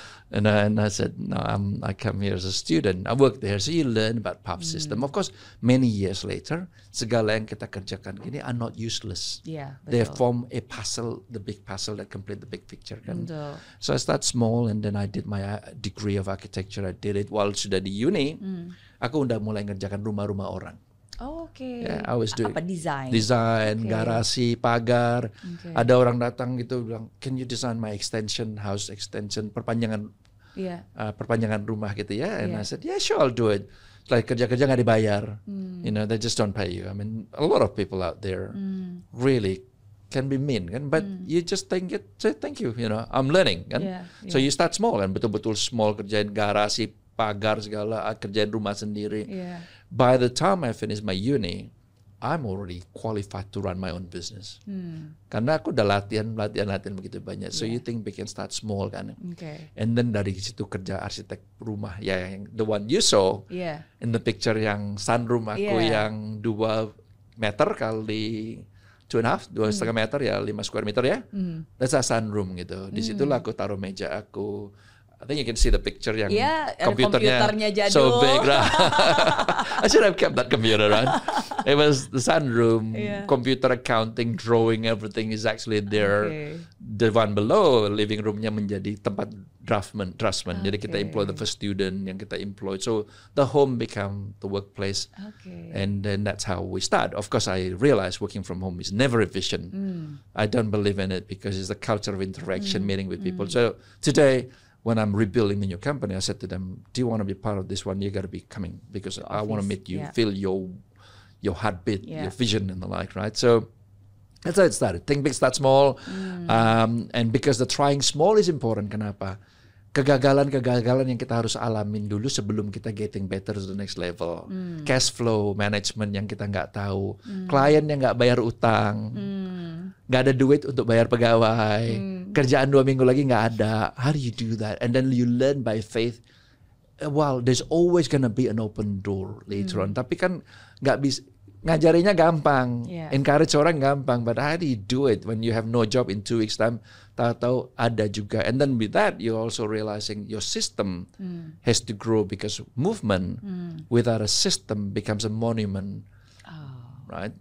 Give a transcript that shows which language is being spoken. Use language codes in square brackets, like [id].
[en] And I said, no, I come here as a student. I work there, so you learn about pub system. Of course, many years later, [id] segala yang kita kerjakan gini [en] are not useless. Yeah, they form a puzzle, the big puzzle that complete the big picture. [id] Kan? Betul. [en] So I start small, and then I did my degree of architecture. I did it while [id] sudah di [en] uni. [id] Aku udah mulai ngerjakan rumah-rumah orang. [en] Oh, okay. Yeah, I was doing [id] apa design? Design, okay. Garasi, pagar. Okay. Ada orang datang gitu bilang, [en] "Can you design my extension, house extension, [id] perpanjangan perpanjangan rumah gitu ya?" [en] And I said, "Yeah, sure, I'll do it." Like [id] kerja-kerja enggak dibayar. [en] You know, they just don't pay you. I mean, a lot of people out there really can be mean, kan? But you just think it, say thank you, you know. I'm learning, kan? So you start small, kan? [id] Betul-betul small, kerjain garasi, pagar segala, kerjain rumah sendiri. [en] By the time I finish my uni, I'm already qualified to run my own business. [id] Karena aku udah latihan begitu banyak. [en] So you think we can start small, kan? Okay. [id] And then dari situ kerja arsitek rumah, ya yang [en] the one you saw in the picture, [id] yang sunroom aku yang 2 meter kali 2.5, 2.5 meter ya, 5 square meter ya. [en] That's a sunroom gitu. [id] Di situlah aku taruh meja aku. [en] I think you can see the picture yang [id] komputernya jadul. [en] So big, right? I should have kept that computer, right? It was the sunroom, computer accounting, drawing, everything is actually there. Okay. The one below, living roomnya [id] menjadi tempat [en] draftsman. Okay. Jadi kita employ the first student [id] yang kita [en] employ. So the home become the workplace. Okay. And then that's how we start. Of course, I realize working from home is never efficient. I don't believe in it because it's the culture of interaction, meeting with people. So today, when I'm rebuilding the new company, I said to them, do you want to be part of this one? You got to be coming because I want to meet you, feel your heartbeat, your vision and the like, right? So that's how it started. Think big, start small. And because the trying small is important, kenapa? [id] Kegagalan-kegagalan yang kita harus alamin dulu sebelum kita [en] getting better to the next level. [id] Cash flow management yang kita nggak tahu. Klien yang nggak bayar utang. Nggak ada duit untuk bayar pegawai. Kerjaan 2 minggu lagi nggak ada. [en] How do you do that? And then you learn by faith. Well, there's always gonna be an open door later on. [id] Tapi kan nggak bisa. Ngajarinya gampang, encourage orang gampang, [en] but how do you do it when you have no job in 2 weeks time? [id] Tahu-tahu ada juga, [en] and then with that, you also realizing your system has to grow because movement without a system becomes a monument. right?